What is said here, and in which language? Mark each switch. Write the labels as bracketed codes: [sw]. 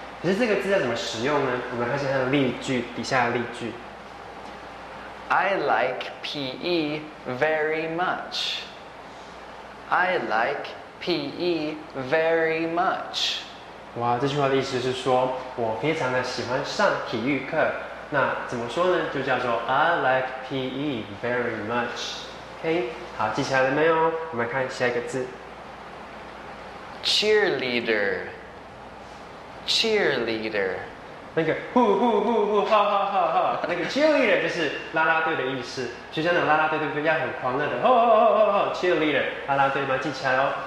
[zh] 可是这个字要怎么使用呢？我们看一下它的例句，底下的例句。 [en] I like PE very much. I like PE very much. [zh] 哇，这句话的意思是说我非常的喜欢上体育课。那怎么说呢？就叫做 [en] I like PE very much。 [zh] OK， 好，记起来了没有？我们看下一个字 [en] ，cheerleader。 cheerleader， [zh] 那个呼呼呼呼，哈哈哈哈，那个 cheerleader 就是啦啦队的意思。学生的啦啦队对不对？要很狂热的，吼吼吼吼 ，cheerleader， 啦啦队，把它记起来哦。